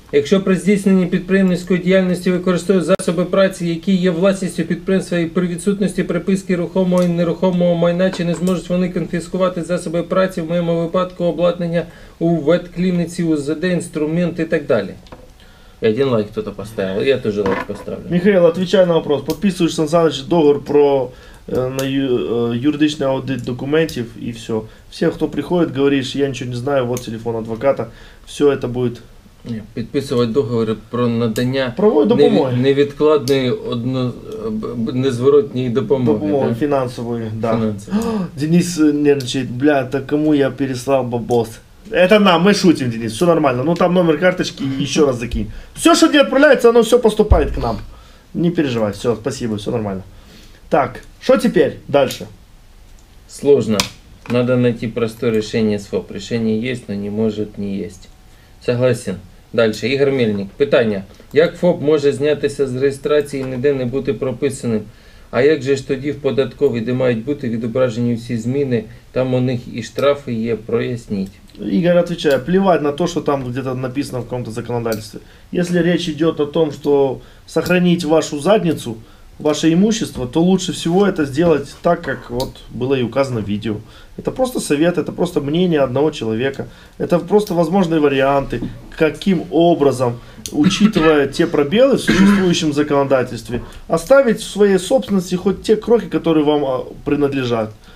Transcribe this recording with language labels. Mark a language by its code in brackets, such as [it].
[uk] Якщо при здійсненні підприємницької діяльності використовує засоби праці, які є власністю підприємства і при відсутності приписки рухомого і нерухомого майна, чи не зможуть вони конфіскувати засоби праці, в моєму випадку обладнання у ветклініці, УЗД, інструмент і так далі? Один лайк хтось поставив, я теж лайк поставлю. Михайло, відповідай на питання. Підписуєш, Сан Саныч, договір про... [ru] на юридичный аудит документов и все. Все, кто приходит, говоришь, я ничего не знаю, вот телефон адвоката, все это будет [uk] Підписувати договори про надання допомоги. Невідкладної незворотної допомоги. Допомоги фінансової, да. Денис нервничать, бля, та кому я переслав бабос? [ru] Это нам, мы шутим, Денис, все нормально. Ну там номер карточки и еще раз закинь. Все, что не отправляется, оно все поступает к нам. Не переживай, все, спасибо, все нормально. Так, что теперь дальше? Сложно. Надо найти простое решение СФОП. Решение есть, но не может не есть. Согласен. Дальше, Ігор Мельник. Питання. [uk] Як ФОП може знятися з реєстрації і ніде не бути прописаним? А як же ж тоді в податковій, де мають бути відображені всі зміни, там у них і штрафи є, проясніть. Ігор відповідає. Плевать на те, що там где-то написано в якомусь законодавстві. Якщо речь йде про те, що зберегти вашу задницю, [ru] ваше имущество, то лучше всего это сделать так, как вот было и указано в видео. Это просто совет, это просто мнение одного человека. Это просто возможные варианты, каким образом, учитывая те пробелы в существующем законодательстве, оставить в своей собственности хоть те крохи, которые вам принадлежат.